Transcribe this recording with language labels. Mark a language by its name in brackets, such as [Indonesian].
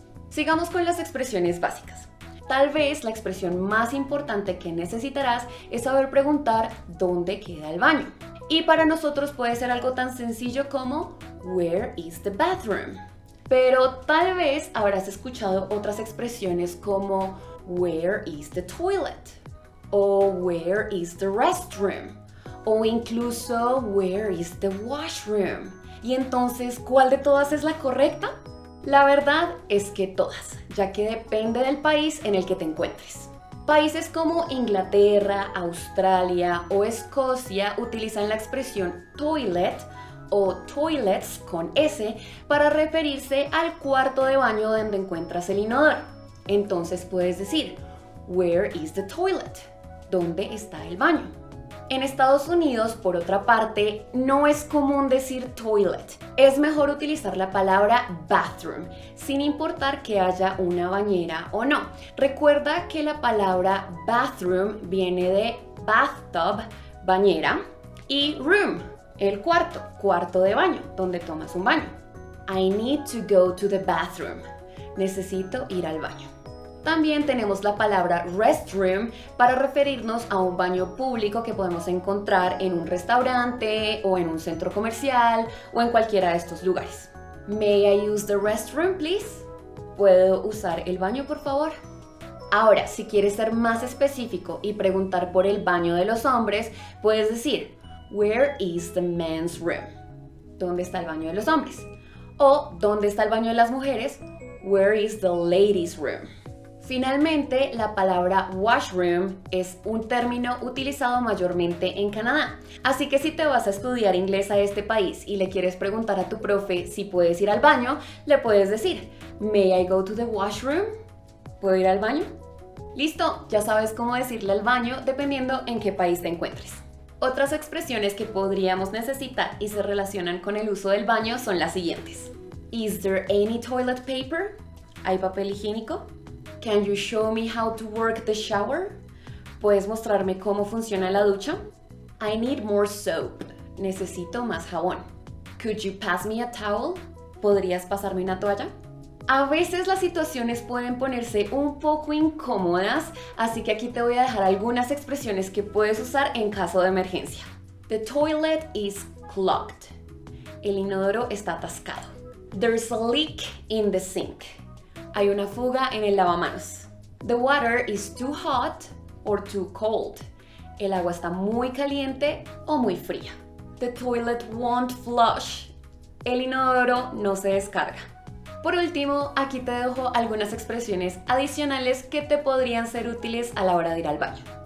[Spanish] Sigamos con las expresiones básicas. Tal vez la expresión más importante que necesitarás es saber preguntar dónde queda el baño. Y para nosotros puede ser algo tan sencillo como [English] Where is the bathroom? [Spanish] Pero tal vez habrás escuchado otras expresiones como [English] Where is the toilet? O Where is the restroom? [Spanish] O incluso [English] Where is the washroom? [Spanish] Y entonces, ¿cuál de todas es la correcta? La verdad es que todas, ya que depende del país en el que te encuentres. Países como Inglaterra, Australia o Escocia utilizan la expresión toilet o toilets con S para referirse al cuarto de baño donde encuentras el inodoro. Entonces puedes decir, Where is the toilet? ¿Dónde está el baño? En Estados Unidos, por otra parte, no es común decir toilet. Es mejor utilizar la palabra bathroom, sin importar que haya una bañera o no. Recuerda que la palabra bathroom viene de bathtub, bañera, y room, el cuarto, cuarto de baño, donde tomas un baño. [English] I need to go to the bathroom. [Spanish] Necesito ir al baño. También tenemos la palabra restroom para referirnos a un baño público que podemos encontrar en un restaurante o en un centro comercial o en cualquiera de estos lugares. [English] May I use the restroom, please? [Spanish] ¿Puedo usar el baño, por favor? Ahora, si quieres ser más específico y preguntar por el baño de los hombres, puedes decir, [English] Where is the men's room? [Spanish] ¿Dónde está el baño de los hombres? O, ¿dónde está el baño de las mujeres? [English] Where is the ladies' room? [Spanish] Finalmente, la palabra washroom es un término utilizado mayormente en Canadá. Así que si te vas a estudiar inglés a este país y le quieres preguntar a tu profe si puedes ir al baño, le puedes decir, [English] May I go to the washroom? [Spanish] ¿Puedo ir al baño? Listo, ya sabes cómo decirle al baño dependiendo en qué país te encuentres. Otras expresiones que podríamos necesitar y se relacionan con el uso del baño son las siguientes. [English] Is there any toilet paper? [Spanish] ¿Hay papel higiénico? [English] Can you show me how to work the shower? [Spanish] ¿Puedes mostrarme cómo funciona la ducha? [English] I need more soap. [Spanish] Necesito más jabón. [English] Could you pass me a towel? [Spanish] ¿Podrías pasarme una toalla? A veces las situaciones pueden ponerse un poco incómodas, así que aquí te voy a dejar algunas expresiones que puedes usar en caso de emergencia. [English] The toilet is clogged. [Spanish] El inodoro está atascado. [English] There's a leak in the sink. [Spanish] Hay una fuga en el lavamanos. [English] The water is too hot or too cold. [Spanish] El agua está muy caliente o muy fría. [English] The toilet won't flush. [Spanish] El inodoro no se descarga. Por último, aquí te dejo algunas expresiones adicionales que te podrían ser útiles a la hora de ir al baño.